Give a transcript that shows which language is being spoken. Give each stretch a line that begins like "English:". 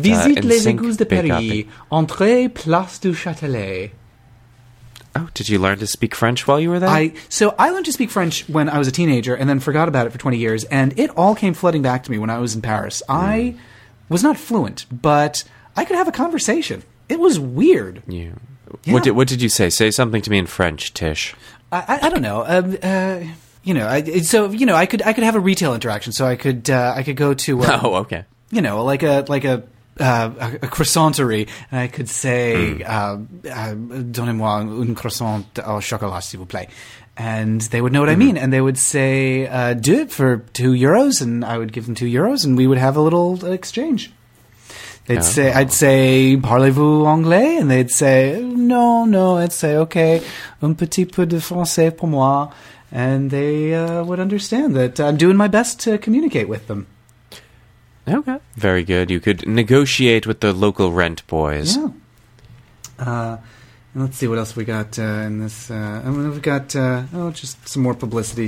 French: Visite les Écus de Paris, entrée Place du Châtelet.
English: Oh, did you learn to speak French while you were there? So I learned to speak French when I was a teenager and then forgot about it for 20 years, and it all came flooding back to me when I was in Paris. I was not fluent, but I could have a conversation. It was weird. Yeah. What did you say? Say something to me in French, Tish. I don't know. I could have a retail interaction, so I could go to you know, like a croissanterie, and I could say,
French: donnez-moi un croissant au chocolat, s'il vous plaît.
English: And they would know what I mean, and they would say, deux for 2 euros, and I would give them 2 euros, and we would have a little exchange. I'd say,
French: parlez-vous anglais?
English: And they'd say, no. I'd say, okay,
French: un petit peu de français pour moi.
English: And they would understand that I'm doing my best to communicate with them. Okay. Very good. You could negotiate with the local rent boys. Yeah. Let's see what else we got in this. Just some more publicity.